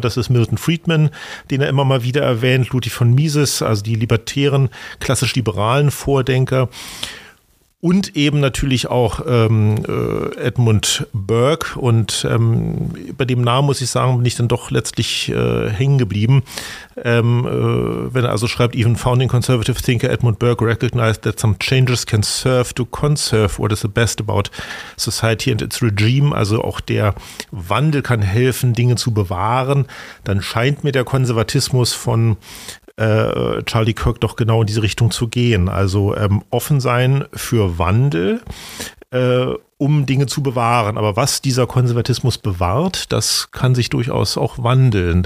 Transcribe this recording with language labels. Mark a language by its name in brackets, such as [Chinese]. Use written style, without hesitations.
[German] Das ist Milton Friedman, den er immer mal wieder erwähnt, Ludwig von Mises, also die libertären, klassisch-liberalen Vordenker. Und eben natürlich auch Edmund Burke. Und bei dem Namen, muss ich sagen, bin ich dann doch letztlich hängen geblieben. Wenn er also schreibt, [English] even founding conservative thinker Edmund Burke recognized that some changes can serve to conserve what is the best about society and its regime. [German] Also auch der Wandel kann helfen, Dinge zu bewahren. Dann scheint mir der Konservatismus von Charlie Kirk doch genau in diese Richtung zu gehen. Also offen sein für Wandel, um Dinge zu bewahren. Aber was dieser Konservatismus bewahrt, das kann sich durchaus auch wandeln.